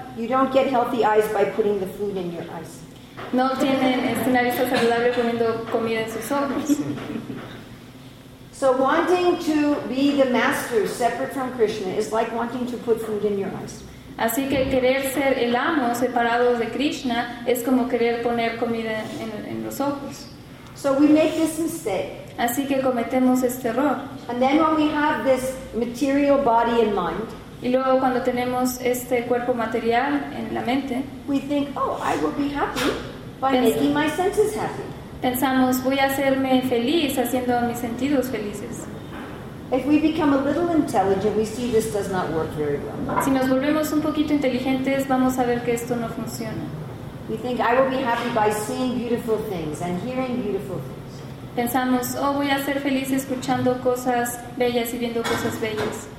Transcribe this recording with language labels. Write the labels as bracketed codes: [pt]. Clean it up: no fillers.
[en] You don't get healthy eyes by putting the food in your eyes. [es] No tienen una vista saludable poniendo comida en sus ojos. [en] So wanting to be the master separate from Krishna is like wanting to put food in your eyes. [es] Así que querer ser el amo separado de Krishna es como querer poner comida en los ojos. [en] So we make this mistake. [es] Así que cometemos este error. [en] And then when we have this material body and mind, [es] y luego cuando tenemos este cuerpo material en la mente, [en] we think, oh, I will be happy by making my senses happy. [es] Pensamos, voy a hacerme feliz haciendo mis sentidos felices. [en] If we become a little intelligent, we see this does not work very well. [es] Si nos volvemos un poquito inteligentes, vamos a ver que esto no funciona. [en] We think, I will be happy by seeing beautiful things and hearing beautiful things. [es] Pensamos, oh, voy a ser feliz escuchando cosas bellas y viendo cosas bellas.